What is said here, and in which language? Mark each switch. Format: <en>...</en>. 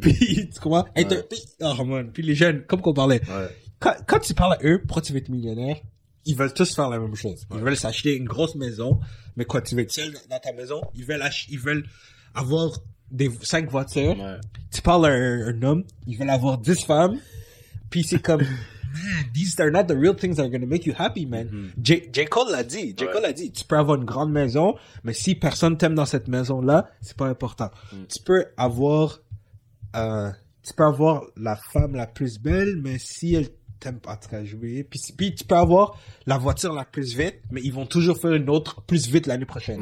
<fr>Puis, tu comprends? Être</fr> <en>oh, man.</en> <fr>Puis les jeunes, comme qu'on parlait. Ouais. Quand tu parles à eux, pourquoi tu veux être millionnaire, ils veulent tous faire la même chose. Ouais. Ils veulent s'acheter une grosse maison. Mais quoi, tu veux être seul dans ta maison? Ils veulent avoir 5 voitures. Ouais. Tu parles à un homme, ils veulent avoir 10 femmes. Puis c'est comme...</fr> <en>Man, these are not the real things that are going to make you happy, man. Mm-hmm.</en> <fr>J. Cole l'a dit. Tu peux avoir une grande maison, mais si personne t'aime dans cette maison-là, c'est pas important. Mm. Tu peux avoir la femme la plus belle, mais si elle t'aime pas, tu vas jouer. Puis tu peux avoir la voiture la plus vite, mais ils vont toujours faire une autre plus vite l'année prochaine.</fr>